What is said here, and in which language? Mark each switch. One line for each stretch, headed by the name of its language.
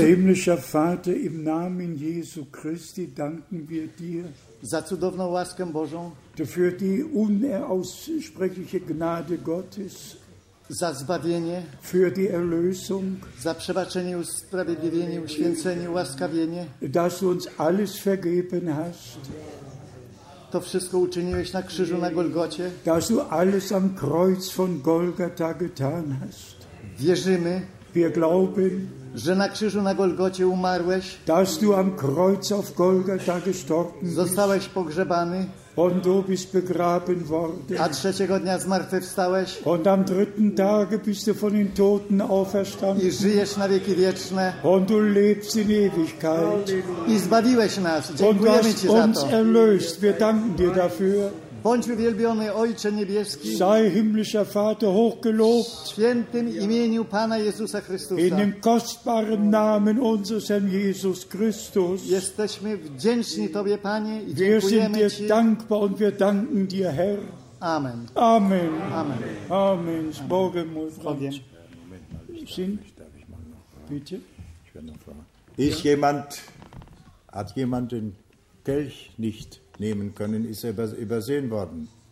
German: himmlischer Vater, im Namen Jesu Christi danken wir dir
Polish: za cudowną łaskę Bożą,
German: für die unaussprechliche Gnade Gottes,
Polish: za zbawienie,
German: für die Erlösung,
Polish: za przebaczenie, usprawiedliwienie, uświęcenie, ułaskawienie,
German: dass du uns alles vergeben hast,
Polish: to wszystko uczyniłeś na krzyżu na Golgocie,
German: dass du alles am Kreuz von Golgatha getan hast.
Polish: Wierzymy,
German: wir glauben,
Polish: że na krzyżu na Golgocie umarłeś,
German: dass du am Kreuz auf Golgatha gestorben bist,
Polish: zostałeś pogrzebany,
German: und du bist begraben worden.
Polish: A trzeciego dnia zmartwychwstałeś.
German: Und am dritten Tage bist du von den Toten auferstanden.
Polish: I żyjesz na wieki wieczne.
German: Und du lebst in Ewigkeit.
Polish: I zbawiłeś nas. Dziękujemy Ci za to.
German: Und du hast uns erlöst. Wir danken dir dafür.
Polish: Bądź uwielbiony Ojcze Niebieski.
German: Sei himmlischer Vater hochgelobt.
Polish: W świętym imieniu Pana Jezusa Chrystusa.
German: In dem kostbaren Namen unseres Herrn Jesus Christus.
Polish: Jesteśmy wdzięczni Tobie, Panie, i
German: wir
Polish: dziękujemy
German: sind dir dankbar und wir danken dir, Herr. Amen. Amen. Amen. Amen. Amen. Amen. Amen. Amen. Bitte. Ich werde noch fragen. Ist ja. jemand, hat jemand den Kelch nicht nehmen können, ist er übersehen worden?